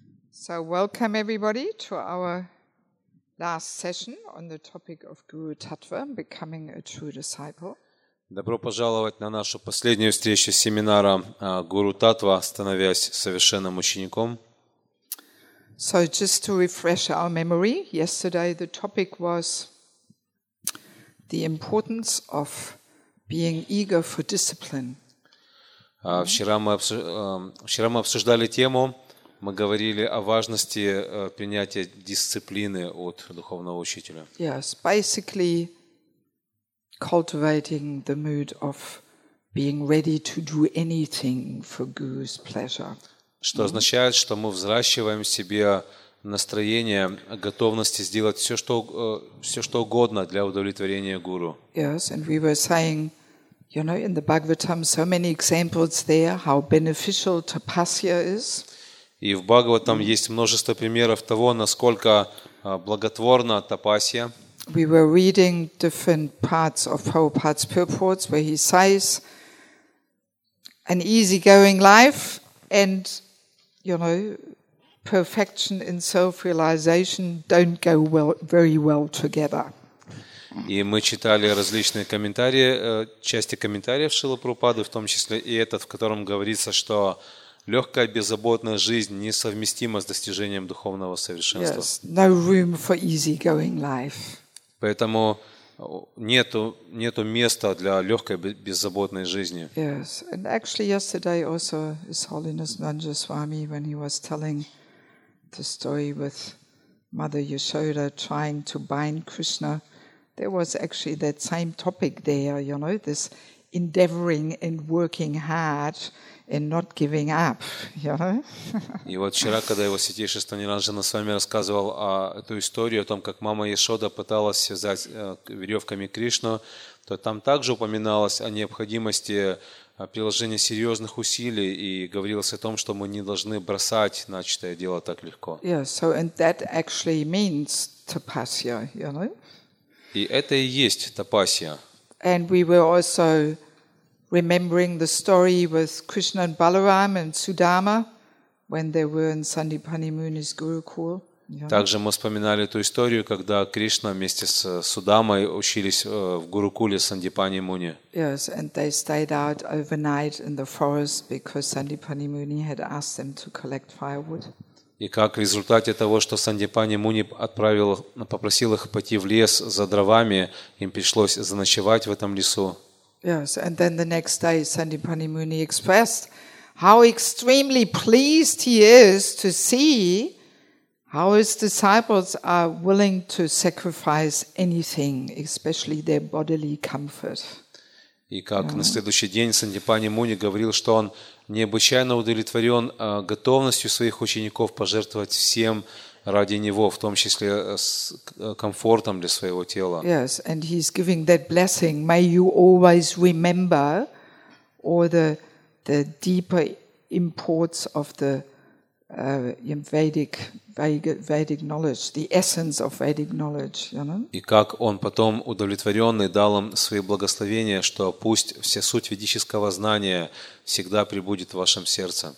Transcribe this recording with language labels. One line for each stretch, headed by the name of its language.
English: So welcome everybody to our last session on the topic of Guru Tattva, becoming a true disciple.
Russian: Добро пожаловать на нашу последнюю встречу семинара Гуру Таттва, становясь совершенным учеником.
English: So just to refresh our memory, yesterday the topic was the importance of being eager for discipline.
Russian: Вчера мы обсуждали тему, мы говорили о важности принятия дисциплины от духовного учителя.
English: Yes, basically cultivating the mood of being ready to do anything for Guru's pleasure.
Russian: Что означает, что мы взращиваем в себе настроение готовности сделать все что угодно для удовлетворения гуру.
English: Yes, and we were saying, you know, in the Bhagavatam so many examples there how beneficial tapasya is.
Russian: И в Бхагаватам есть множество примеров того, насколько благотворна тапасья.
English: We were reading different parts of Prabhupada's purports where he says an easygoing life and you know, perfection and self-realization don't go well, very well together.
Russian: И мы читали различные комментарии, части комментариев Шрилы Прабхупады, в том числе и этот, в котором говорится, что легкая беззаботная жизнь несовместима с достижением духовного совершенства.
English: Yes, no room for easygoing life.
Russian: Поэтому нету места для легкой беззаботной жизни.
English: Yes, and actually yesterday also His Holiness Nandaswami, when he was telling the story with Mother Yashoda trying to bind Krishna, there was actually that same topic there, you know, this endeavoring and working hard and not giving up, you know.
Russian: И вот вчера, когда его святейшество Ниранджана с вами рассказывал о эту историю о том, как мама Яшода пыталась связать веревками Кришну, то там также упоминалось о необходимости приложения серьезных усилий и говорилось о том, что мы не должны бросать начатое дело так легко.
English: Yeah, so and that actually means tapasya, you know.
Russian: И это и есть тапасья.
English: And we were also remembering the story with Krishna and Balaram and Sudama when they were in Sandipani Muni's Gurukul.
Russian: Также мы вспоминали ту историю, когда Кришна вместе с Судамой учились в Гурукуле Сандипани Муни.
English: Yes, and they stayed out overnight in the forest because Sandipani Muni had asked them to collect firewood.
Russian: И как в результате того, что Сандипани Муни попросил их пойти в лес за дровами, им пришлось заночевать в этом лесу.
English: Yes, and then the next day Sandipani Muni expressed how extremely pleased he is to see how his disciples are willing to sacrifice anything, especially their bodily comfort.
Russian: И как на следующий день Сандипани Муни говорил, что он необычайно удовлетворен готовностью своих учеников пожертвовать всем ради него, в том числе с комфортом для своего тела.
English: Yes, and he's giving that blessing. May you always remember all the deeper imports of the Vedic knowledge, the essence of Vedic knowledge, you know?
Russian: И как он потом удовлетворенный дал им свои благословения, что пусть вся суть ведического знания всегда пребудет в вашем сердце.